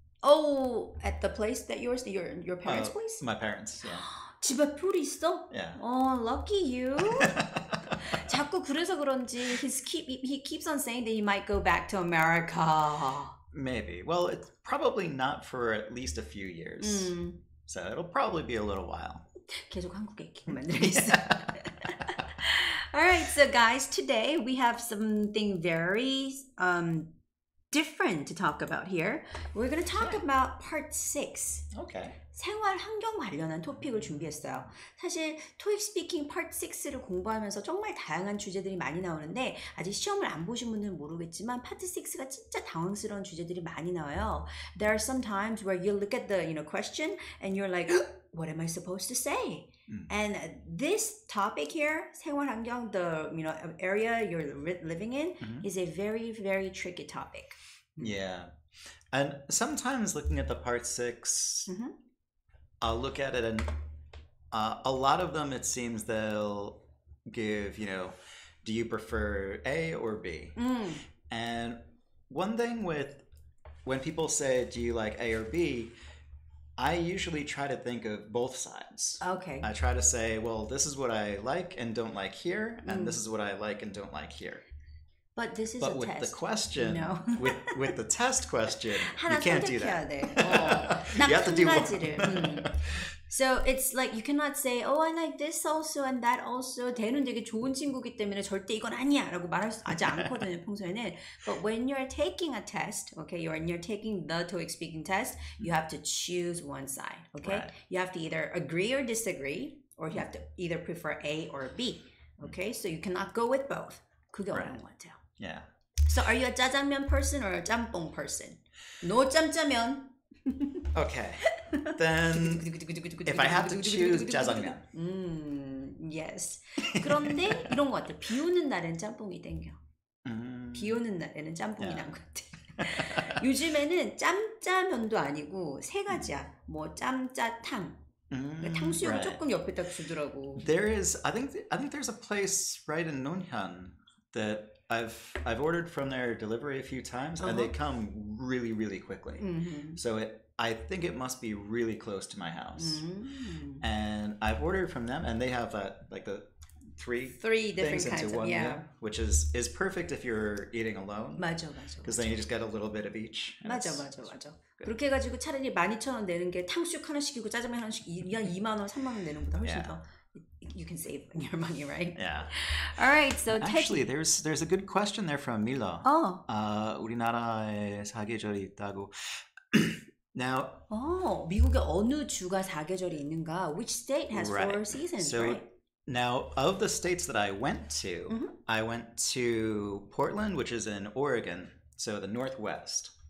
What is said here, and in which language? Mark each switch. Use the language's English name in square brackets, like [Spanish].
[English] Oh, at the place that yours, your parents' place? My parents, yeah. [Korean] 집 앞에 풀이 있어? [English] Yeah. Oh, lucky you. [Korean] 자꾸 그래서 그런지 [English] he keeps on saying that he might go back to America. Maybe. Well, it's probably not for at least a few years. Mm. So it'll probably be a little while. [Korean] 계속 한국에 있게 만들겠어. [English] All right, so guys, today we have something very different to talk about here. We're going to talk sure. about part 6. Okay. [Korean] 생활환경 관련한 토픽을 준비했어요. 사실 토익스피킹 파트 6를 공부하면서 정말 다양한 주제들이 많이 나오는데 아직 시험을 안 보신 분들은 모르겠지만 파트 6가 진짜 당황스러운 주제들이 많이 나와요. [English] There are some times where you look at the you know, question and you're like, what am I supposed to say? And this topic here, 생활환경, the you know, area you're living in, is a very, very tricky topic. Yeah. And sometimes looking at the part 6, I'll look at it and a lot of them, it seems they'll give, you know, do you prefer A or B? Mm. And one thing with when people say, do you like A or B? I usually try to think of both sides. Okay. I try to say, well, this is what I like and don't like here. And this is what I like and don't like here. But this is but a with test. The question, no. with the test question, you can't do that. Oh. You have to do both. So it's like you cannot say, oh, I like this also and that also. [Korean] 대는 되게 좋은 친구이기 때문에 절대 이건 아니야라고 말할 수 아직 않거든요 평소에는. [English] But when you're taking a test, okay, you're taking the TOEIC speaking test, you have to choose one side, okay? Right. You have to either agree or disagree, or you have to either prefer A or B, okay? So you cannot go with both. [Korean] 그게 [English] right. [Korean] 어려운 것 같아요. [English] Yeah. So are you a 짜장면 person or a 짬뽕 person? No 짬짜면. Okay. Then if I have to choose 짜장면. Yes. [Korean] 그런데 이런 것 같아. 비 오는 날엔 짬뽕이 땡겨. 비 오는 날에는 짬뽕이 yeah. 난 것 같아. 요즘에는 짬짜면도 아니고 세 가지야. 뭐 짬짜탕. 탕수육을 right. 조금 옆에 딱 주더라고. [English] There is I think there's a place right in Nonhyun. That I've ordered from their delivery a few times and they come really really quickly. Mm-hmm. So I think it must be really close to my house. Mm-hmm. And I've ordered from them and they have a, like the three things different into kinds one of, yeah. meal, which is perfect if you're eating alone. [Korean] 맞아 맞아. [English] Because then you just get a little bit of each. [Korean] 맞아 맞아 맞아. 그렇게 해가지고 차라리 12,000원 내는 게 탕수육 하나 시키고 짜장면 하나 시키고 2만원 3만원 내는 것보다 훨씬 yeah. 더. [English] You can save your money, right? Yeah. All right. So actually, there's a good question there from Milo. Oh. [Korean] 우리나라에 사계절이 있다고. [English] Now. [Korean] Oh, 미국에 어느 주가 사계절이 있는가? [English] Which state has right. four seasons? So, right. Now, of the states that I went to, I went to Portland, which is in Oregon, so the Northwest.